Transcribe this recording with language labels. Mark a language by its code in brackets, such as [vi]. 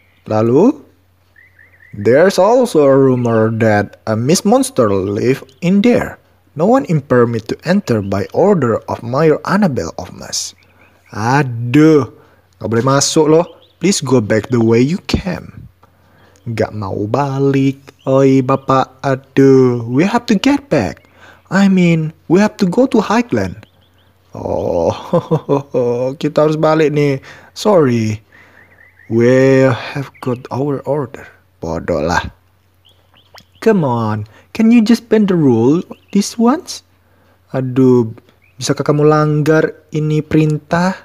[en] Lalu, there's also a rumor that a Miss Monster live in there. No one in permit to enter by order of Mayor Annabelle of Mass. [id] Aduh, gak boleh masuk loh. [en] Please go back the way you came. [id] Gak mau balik. Oi bapak, aduh. [en] We have to get back. I mean, we have to go to Highland. [id] Oh, kita harus balik nih. [en] Sorry. We have got our order. [id] Bodoh lah. [en] Come on, can you just bend the rule this once? [id] Aduh, bisakah kamu langgar ini perintah?